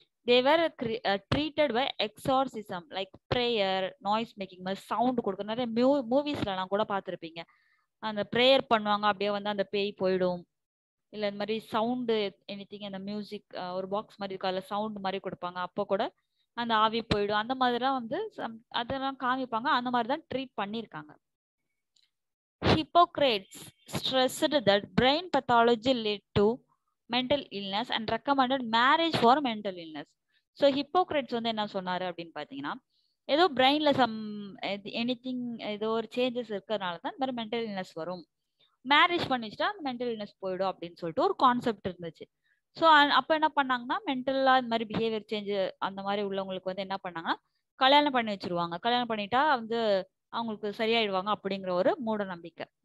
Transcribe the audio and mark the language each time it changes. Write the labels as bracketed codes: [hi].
[en] they were treated by exorcism like prayer noise making [ta] மாதிரி sound கொடுக்குற நிறைய மூவிஸ்லாம் கூட பார்த்துருப்பீங்க, அந்த ப்ரேயர் பண்ணுவாங்க அப்படியே வந்து அந்த பேய் போயிடும், இல்லை இந்த மாதிரி சவுண்டு எனி திங் அந்த மியூசிக் ஒரு பாக்ஸ் மாதிரி இருக்கும் அதில் சவுண்டு மாதிரி கொடுப்பாங்க அப்போ கூட அந்த ஆவி போயிடும், அந்த மாதிரிலாம் வந்து அதெல்லாம் காமிப்பாங்க, அந்த மாதிரி தான் ட்ரீட் பண்ணியிருக்காங்க. [en] Hippocrates stressed that brain pathology led to mental illness and recommended marriage for mental illness. [ta] So Hippocrates வந்து என்ன சொன்னாரு அப்படின்னு பார்த்தீங்கன்னா ஏதோ பிரெயின்ல சம் எனிதிங் ஏதோ ஒரு சேஞ்சஸ் இருக்கிறதுனால தான் இந்த மாதிரி மென்டல் இல்னஸ் வரும், மேரேஜ் பண்ணி வச்சுட்டா அந்த மென்டல் இல்னஸ் போயிடும் அப்படின்னு சொல்லிட்டு ஒரு கான்செப்ட் இருந்துச்சு. ஸோ அப்போ என்ன பண்ணாங்கன்னா மென்டலாக இந்த மாதிரி பிஹேவியர் சேஞ்ச் அந்த மாதிரி உள்ளவங்களுக்கு வந்து என்ன பண்ணாங்கன்னா கல்யாணம் பண்ணி வச்சுருவாங்க, கல்யாணம் பண்ணிட்டா வந்து அவங்களுக்கு சரியாயிடுவாங்க அப்படிங்கிற ஒரு மூட நம்பிக்கை.